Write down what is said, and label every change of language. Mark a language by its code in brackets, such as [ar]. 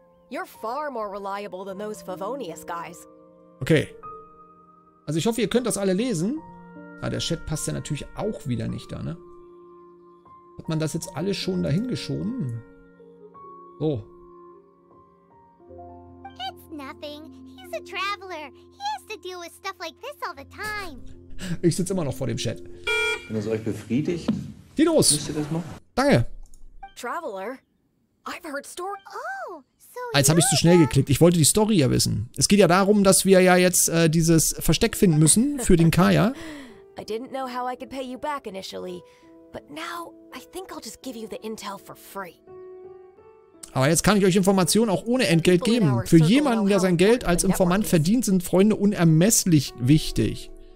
[en] You're far more reliable than those Favonius guys. Okay. [de] Also ich hoffe, ihr könnt das alle lesen. Ah, der Chat passt ja natürlich auch wieder nicht da, ne? Hat man das jetzt alles schon dahin geschoben? So. [en] It's nothing. He's a traveler. He has to deal with stuff like this all the time. [de] Ich sitze immer noch vor dem Chat. Wenn es euch befriedigt, Dinos, müsst ihr das machen. Danke. [en] Traveler? I've heard story. Oh! [de] Jetzt habe ich zu schnell geklickt. Ich wollte die Story ja wissen. Es geht ja darum, dass wir ja jetzt dieses Versteck finden müssen für den Kaya. [en] I didn't know how I could pay you back initially, but now I think I'll just give you the intel for free. [de] Aber jetzt kann ich euch Informationen auch ohne Entgelt geben. Für jemanden, der sein Geld als Informant verdient, sind Freunde unermesslich wichtig.